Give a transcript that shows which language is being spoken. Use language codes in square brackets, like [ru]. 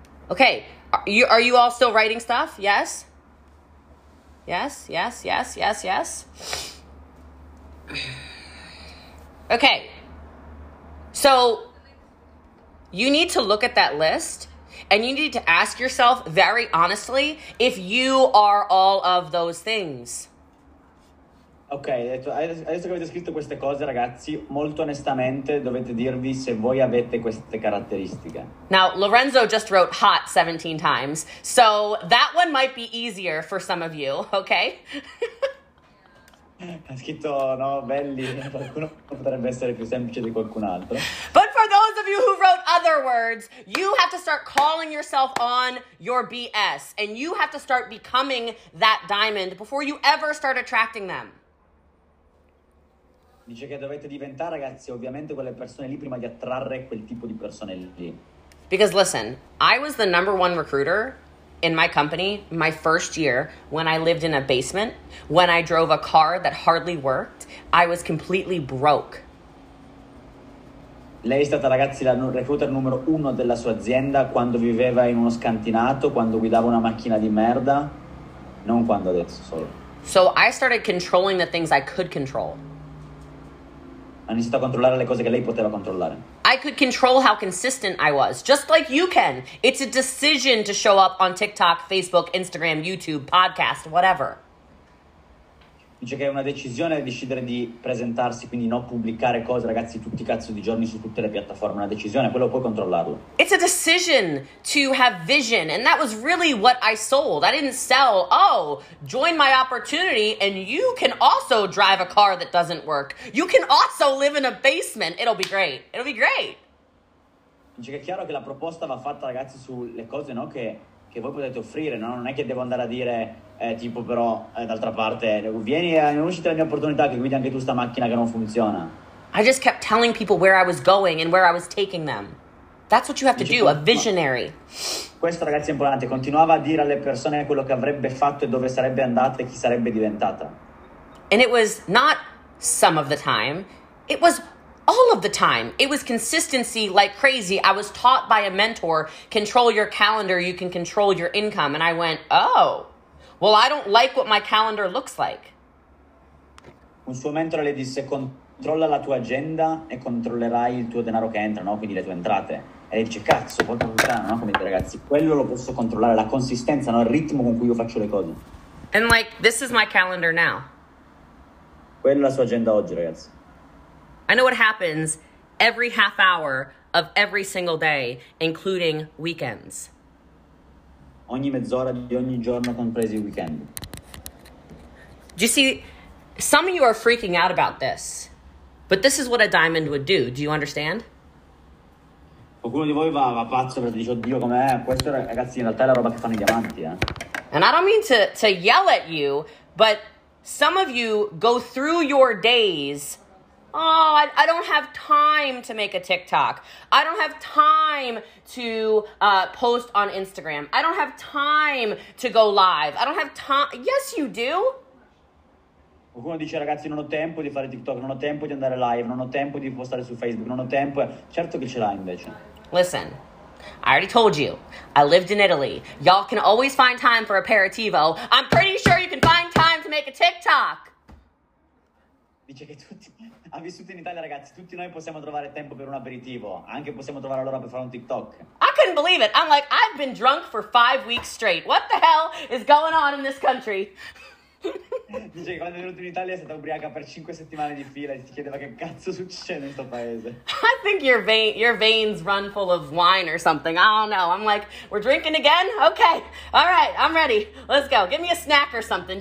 [en] Okay, are you all still writing stuff? Yes? Yes, yes, yes, yes, yes. Okay, so you need to look at that list and you need to ask yourself very honestly if you are all of those things. [it] Ok, adesso che avete scritto queste cose, ragazzi, molto onestamente dovete dirvi se voi avete queste caratteristiche. [en] Now, Lorenzo just wrote hot 17 times, so that one might be easier for some of you, ok? [it] Ha scritto, no, belli, qualcuno potrebbe essere più semplice di qualcun altro. [en] But for those of you who wrote other words, you have to start calling yourself on your BS, and you have to start becoming that diamond before you ever start attracting them. [it] Dice che dovete diventare, ragazzi, ovviamente quelle persone lì prima di attrarre quel tipo di persone lì. [en] Because listen, I was the number one recruiter in my company my first year when I lived in a basement, when I drove a car that hardly worked, I was completely broke. [it] Lei è stata, ragazzi, la recruiter numero uno della sua azienda quando viveva in uno scantinato, quando guidava una macchina di merda, non quando adesso solo. [en] So I started controlling the things I could control. [it] Ha iniziato a controllare le cose che lei poteva controllare. [en] I could control how consistent I was, just like you can. It's a decision to show up on TikTok, Facebook, Instagram, YouTube, podcast, whatever. [it] Dice che è una decisione decidere di presentarsi, quindi non pubblicare cose, ragazzi, tutti cazzo di giorni su tutte le piattaforme. Una decisione, quello puoi controllarlo. [en] It's a decision to have vision, and that was really what I sold. I didn't sell, oh, join my opportunity, and you can also drive a car that doesn't work. You can also live in a basement. It'll be great. It'll be great. [it] Dice che è chiaro che la proposta va fatta, ragazzi, sulle cose, no, che voi potete offrire, no? Non è che devo andare a dire, tipo, però, d'altra parte, vieni e annunciati la mia opportunità che guidi anche tu sta macchina che non funziona. [en] I just kept telling people where I was going and where I was taking them. That's what you have to do, a visionary. [it] Questo, ragazzi, è importante. Continuava a dire alle persone quello che avrebbe fatto e dove sarebbe andata e chi sarebbe diventata. [en] And it was not some of the time. It was all of the time. It was consistency like crazy. I was taught by a mentor, control your calendar, you can control your income. And I went, oh, well, I don't like what my calendar looks like. [it] Un suo mentore le disse, controlla la tua agenda e controllerai il tuo denaro che entra, no? Quindi le tue entrate. E lei dice, cazzo, porca puttana, no? Come dire, ragazzi, quello lo posso controllare, la consistenza, no? Il ritmo con cui io faccio le cose. [en] And like, this is my calendar now. [it] Quella è la sua agenda oggi, ragazzi. [en] I know what happens every half hour of every single day, including weekends. [it] Ogni mezz'ora di ogni giorno, compresi il weekend. [en] Do you see, some of you are freaking out about this, but this is what a diamond would do. Do you understand? [it] Qualcuno di voi va pazzo perché dice, oddio, com'è? Questo, ragazzi, in realtà è la roba che fanno i diamanti, eh? [en] And I don't mean to yell at you, but some of you go through your days, oh, I don't have time to make a TikTok. I don't have time to post on Instagram. I don't have time to go live. I don't have time. Yes, you do. [it] Qualcuno dice, ragazzi, non ho tempo di fare TikTok, non ho tempo di andare live, non ho tempo di postare su Facebook, non ho tempo. Certo che ce l'ha invece. [en] Listen, I already told you, I lived in Italy. Y'all can always find time for aperitivo. I'm pretty sure you can find time to make a TikTok. [it] Dice che tutti, ha vissuto in Italia, ragazzi, tutti noi possiamo trovare tempo per un aperitivo, anche possiamo trovare l'ora per fare un TikTok. [en] I couldn't believe it. I'm like, I've been drunk for 5 weeks straight. What the hell is going on in this country? [it] Dice che quando è venuto in Italia è stata ubriaca per 5 settimane di fila e si chiedeva che cazzo succede in questo paese. [en] I think your veins run full of wine or something. I don't know. I'm like, we're drinking again? Okay. All right, I'm ready. Let's go. Give me a snack or something.